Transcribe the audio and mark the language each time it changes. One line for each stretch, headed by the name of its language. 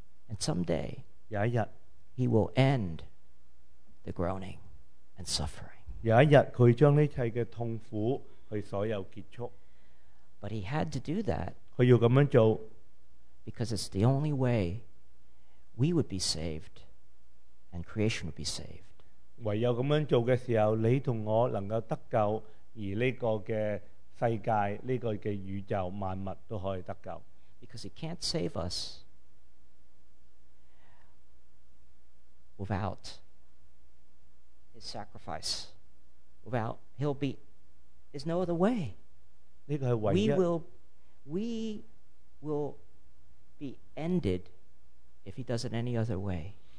English: And someday, he will end the groaning and suffering.
Chinese: 有一日他将这一切的痛苦去所有结束,
English: but he had to do that
Chinese: 他要这样做,
English: because it's the only way we would be saved and creation would be saved.
Chinese: 唯有这样做的时候, 你和我能够得救, 而这个世界, 这个宇宙, 万物都可以得救,
English: because he can't save us without his sacrifice. Without, he'll be, there's no other way. We will be ended if he does it any other way.